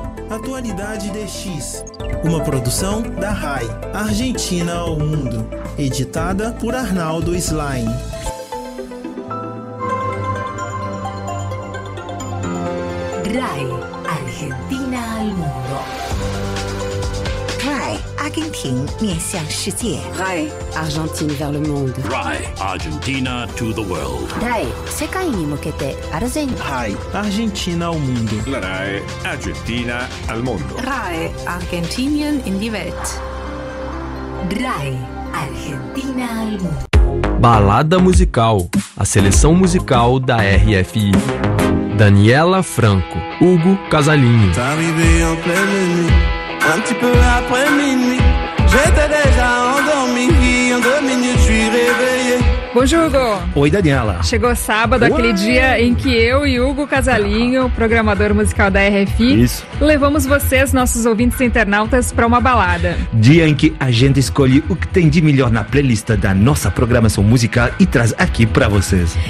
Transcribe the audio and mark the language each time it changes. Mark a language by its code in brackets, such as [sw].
[pt] Atualidade DX, uma produção da RAI, Argentina ao Mundo, editada por Arnaldo Slain. RAI, Argentina ao Mundo. RAI, Argentina, minha ciência. [fr] RAI, Argentina vers le monde. [en] RAI, Argentina to the world. [ja] RAI, 世界に向けて Argentina. [pt] RAI, Argentina ao mundo. [es] RAI, Argentina al mundo. [en] RAI, Argentinian in the world. [es] RAI, Argentina al mundo. [pt] Balada musical, a seleção musical da RFI. Daniela Franco, Hugo Casalinho. [fr] Un petit peu après minuit, j'étais déjà endormi. En deux minutes, je suis réveillé. Bonjour, Hugo. [pt] Oi, Daniela. Chegou sábado, aquele dia em que eu e Hugo Casalinho, programador musical da RFI, isso, levamos vocês, nossos ouvintes e internautas, para uma balada. Dia em que a gente escolhe o que tem de melhor na playlist da nossa programação musical e traz aqui para vocês.